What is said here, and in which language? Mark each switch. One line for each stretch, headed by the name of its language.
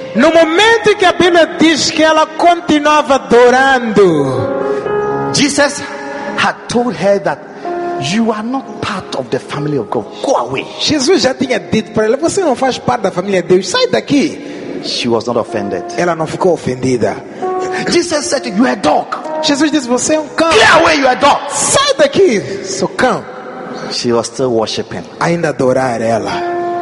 Portuguese: No momento que a Bíblia diz que ela continuava adorando,
English: Jesus had told her that you are not part of the family of God. Go away.
Portuguese: Jesus já tinha dito para ela, você não faz parte da família de Deus. Sai daqui.
English: She was not offended.
Portuguese: Ela não ficou ofendida.
English: Jesus said, "You are a dog."
Portuguese: Jesus disse, você é cão.
English: Get away, you are a dog.
Portuguese: Sai daqui.
English: So come. She was still worshiping.
Portuguese: Ainda adorar ela.